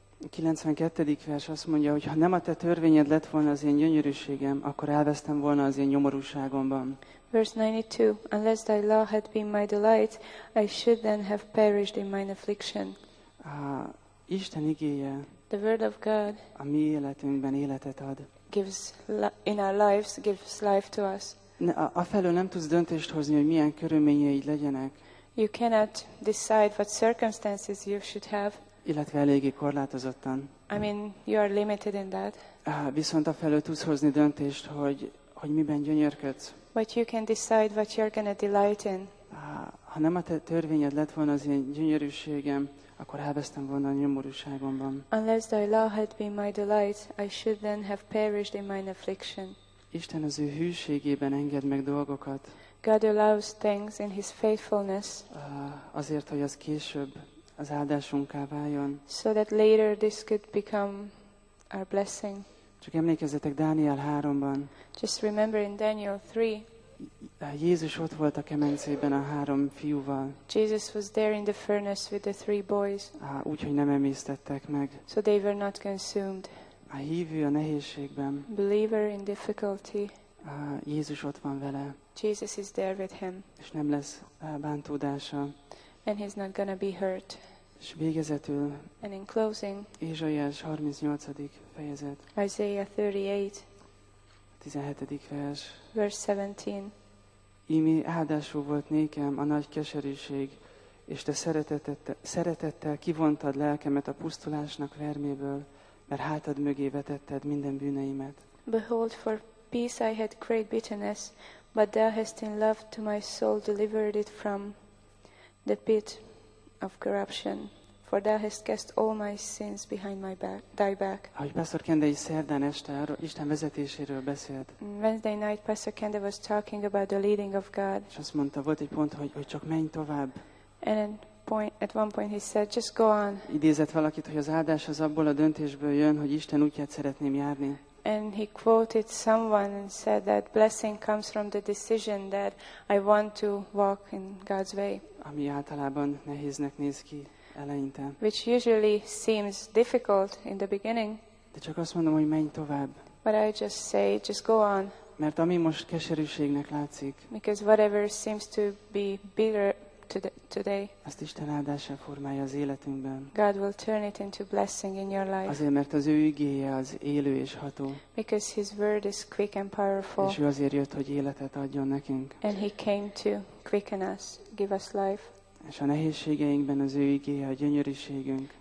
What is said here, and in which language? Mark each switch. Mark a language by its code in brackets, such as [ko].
[hu] 92. vers azt mondja, hogy ha nem a te törvényed lett volna az én gyönyörűségem, akkor elvesztem volna az én nyomorúságomban. [en] Verse 92. Unless thy law had been my delight, I should then have perished in my affliction. [hu] Isten igéje, [en] the word of God, [hu] a mi életünkben életet ad. [en] Gives in our lives, gives life to us. [hu] Afelől nem tudsz döntést hozni, hogy milyen körülményeid legyenek. [en] You cannot decide what circumstances you should have. [hu] Illetve eléggé korlátozottan. [en] I mean, you are limited in that. [hu] Viszont afelől tudsz hozni döntést, hogy miben gyönyörködsz. [en] But you can decide what you're going to delight in. [hu] Ha nem a te törvényed lett volna az én gyönyörűségem, akkor elvesztem volna a nyomorúságomban. [en] Unless thy law had been my delight, I should then have perished in my affliction. [hu] Isten az ő hűségében enged meg dolgokat. [en] God allows things in his faithfulness. [hu] Azért, hogy az később az áldásunká váljon. [en] So that later this could become our blessing. [hu] Csak emlékezzetek Dániel 3-ban. [en] Just remember in Daniel 3. [hu] Jézus ott volt a kemencében a három fiúval. [en] Jesus was there in the furnace with the three boys. [hu] Úgyhogy nem emésztettek meg. [en] So they were not consumed. [hu] A hívő a nehézségben. [en] Believer in difficulty. [hu] Jézus ott van vele. [en] Jesus is there with him. [hu] És nem lesz bántódása. [en] And he's not gonna be hurt. [hu] És végezetül. [en] And in closing. [hu] Ézsaiás 38. fejezet. [en] Isaiah 38. [hu] 17. vers. [en] Verse 17. [hu] Ími áldású volt nékem a nagy keserűség, és te szeretettel kivontad lelkemet a pusztulásnak verméből, mert hátad mögé vetetted minden bűneimet. [en] Behold, for peace I had great bitterness, but thou hast in love to my soul delivered it from the pit of corruption. For thou hast cast all my sins behind my back, thy back. [hu] Ahogy Pastor Kende is szerdán este Isten vezetéséről beszélt. [en] Wednesday night Pastor Kende was talking about the leading of God. [hu] És azt mondta, volt egy pont, hogy csak menj tovább. [en] And at one point he said, just go on. [hu] Idézett valakit, hogy az áldás az abból a döntésből jön, hogy Isten útját szeretném járni. [en] And he quoted someone and said that blessing comes from the decision that I want to walk in God's way. [hu] Ami általában nehéznek néz ki. Eleinte. [en] Which usually seems difficult in the beginning. [hu] De csak azt mondom, hogy menj tovább. [en] But I just say, just go on. [hu] Mert ami most keserűségnek látszik. [en] Because whatever seems to be bitter, today. [hu] Azt Isten áldása formálja az életünkben. [en] God will turn it into blessing in your life. [hu] Azért, mert az ő igéje az élő és ható. [en] Because his word is quick and powerful. [hu] És ő azért jött, hogy életet adjon nekünk. [en] And he came to quicken us, give us life. [hu] És a nehézségeinkben az ő igéje a gyönyörűségünk.